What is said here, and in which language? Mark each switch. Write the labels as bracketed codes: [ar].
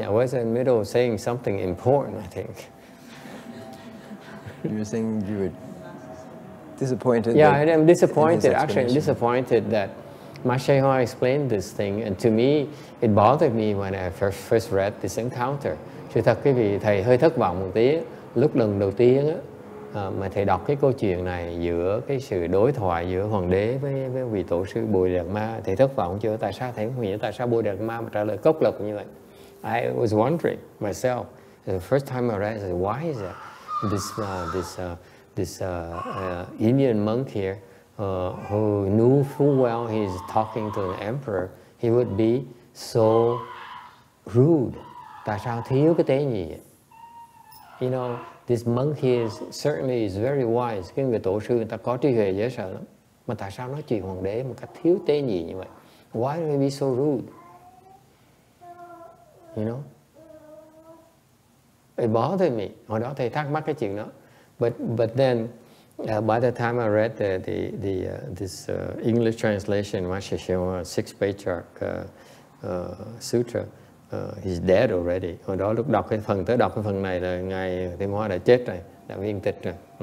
[en] I was in the middle of saying something important, I think. You were saying you were disappointed? Yeah, I am disappointed, actually disappointed that Master Hua explained this thing, and to me, it bothered me when I first read this encounter. [vi] Chứ thật quý vị, thầy hơi thất vọng một tí. Lúc lần đầu tiên á, mà thầy đọc cái câu chuyện này giữa cái sự đối thoại giữa hoàng đế với vị tổ sư Bodhidharma, thầy thất vọng chưa? Tại sao thầy không hiểu tại sao Bodhidharma mà trả lời cốc lực như vậy? [en] I was wondering myself the first time I read. I said, why is it this Indian monk here, who knew full well he's talking to an emperor, he would be so rude? [vi] Tại sao thiếu cái tế nhị? [en] You know, this monk here is certainly very wise. [vi] Cái người tổ sư người ta có trí huệ dễ sợ lắm. Mà tại sao nói chuyện hoàng đế một cách thiếu tế nhị như vậy? [en] why do they be so rude? You know? It bothered me. [vi] Hồi đó thầy thắc mắc cái chuyện đó. [en] But then, by the time I read this English translation, Mahasiswa, six patriarch sutra, he's dead already. [vi] Hồi đó lúc đọc cái phần tới đọc cái phần này là ngài Thiên Hóa đã chết rồi, đã viên tịch rồi.